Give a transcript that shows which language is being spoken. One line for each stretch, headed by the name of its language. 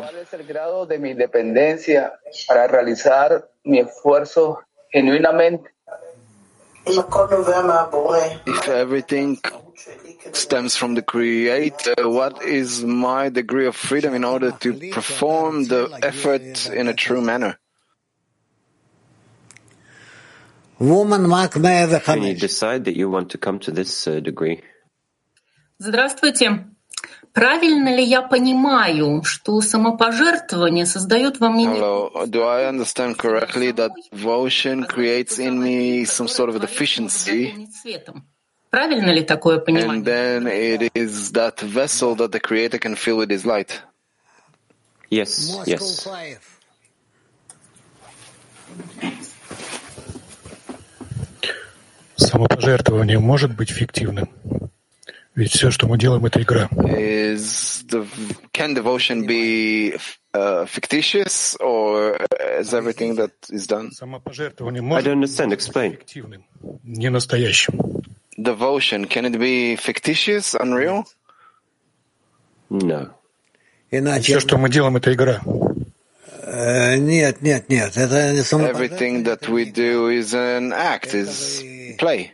Spanish: ¿Cuál es el grado de mi independencia para realizar mi esfuerzo genuinamente?
English: If everything stems from the creator, what is my degree of freedom in order to perform the effort in a true manner? Woman, Mark, can you decide that you want to come to this degree?
Russian: Здравствуйте. Правильно ли я понимаю, что самопожертвование создает во мне?
English: Hello. Do I understand correctly that devotion creates in me some sort of a deficiency?
Russian: Правильно ли такое понимание?
English: And then it is that vessel that the Creator can fill with His light. Yes. Yes.
Russian: Самопожертвование может быть фиктивным, ведь все, что мы делаем, это игра.
English: Can devotion be fictitious, or is everything that is done?
Russian: Самопожертвование может быть фиктивным, не настоящим.
English: Devotion, can it be fictitious, unreal? No.
Russian: Иначе. Все, что мы делаем, это игра. Нет, нет, нет. Это не самопожертвование.
English: Everything that we do is an act, is play.